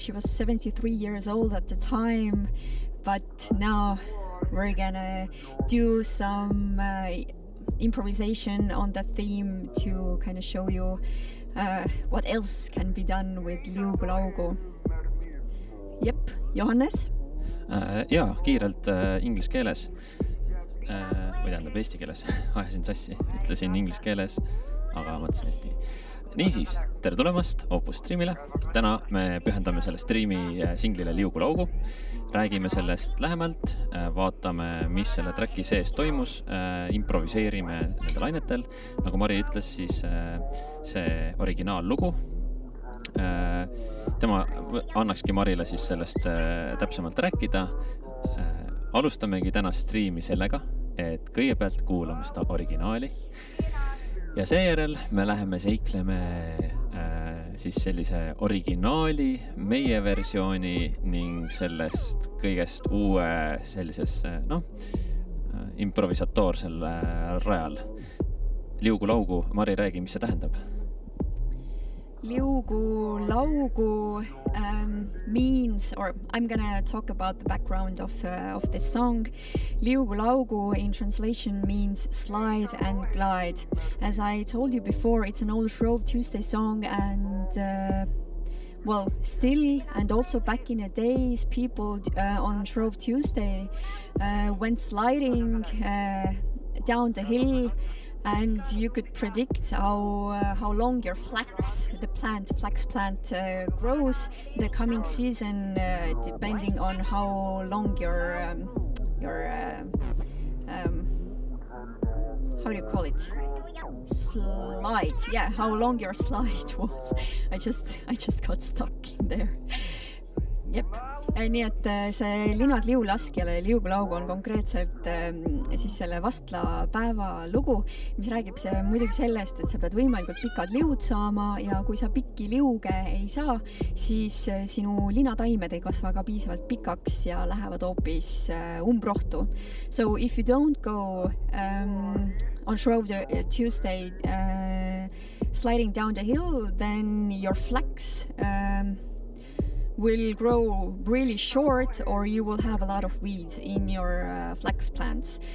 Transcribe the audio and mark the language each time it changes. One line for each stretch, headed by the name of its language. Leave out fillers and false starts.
English: She was 73 years old at the time, but now we're gonna do some improvisation on the theme to kind of show you what else can be done with Liugu Laugu. Yep, Johannes?
Estonian: Jaa, kiirelt inglise keeles. Või tähendab eesti keeles. Ajasin sassi, ütlesin inglise keeles, aga mõtlesin eesti. Nii siis, tere tulemast Opus Streamile. Täna me pühendame selle streami singlile Liugu Laugu. Räägime sellest lähemalt, vaatame, mis selle tracki sees toimus, improviseerime nende lainetel. Nagu Mari ütles, siis see originaal lugu. Tema annakski Marile siis sellest täpsemalt rääkida. Alustamegi täna streami sellega, et kõigepealt kuulame seda originaali. Ja seejärel me läheme seikleme siis sellise originaali, meie versiooni ning sellest kõigest uue sellisesse, improvisatoorsel rajal. Liugu Laugu, Mari, räägi, mis see tähendab?
English: Liugu Laugu means, or I'm gonna talk about the background of this song. Liugu Laugu in translation means slide and glide. As I told you before, it's an old Shrove Tuesday song, and well, still, and also back in the days, people on Shrove Tuesday went sliding down the hill. And you could predict how long your flax plant grows the coming season, depending on how long your slide was. I just got stuck in there. Yep.
Estonian: Nii et see Linad Liu laskjale Liugu Laugu on konkreetselt siis selle vastla päeva lugu, mis räägib see muidugi sellest, et sa pead võimalikult pikad liud saama, ja kui sa pikki liuge ei saa, siis sinu linataimed ei kasva ka piisavalt pikaks ja lähevad hoopis umbrohtu.
English: So if you don't go on Shrove Tuesday sliding down the hill, then your flax will grow really short, or you will have a lot of weeds in your flax plants.